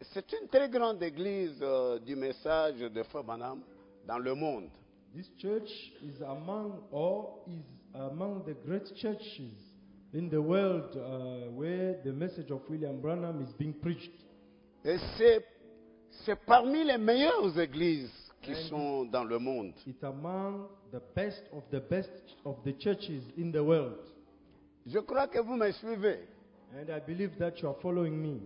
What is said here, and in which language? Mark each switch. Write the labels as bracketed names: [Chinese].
[French] C'est une très grande église du message de Fabanam dans le monde. [English] This church is among the great churches in the world where the message of William Branham is being preached. [French] Et c'est parmi les meilleures églises qui sont dans le monde. [English] It's among the best of the best of the churches in the world. [French] Je crois que vous me suivez. [English] And I believe that you are following me.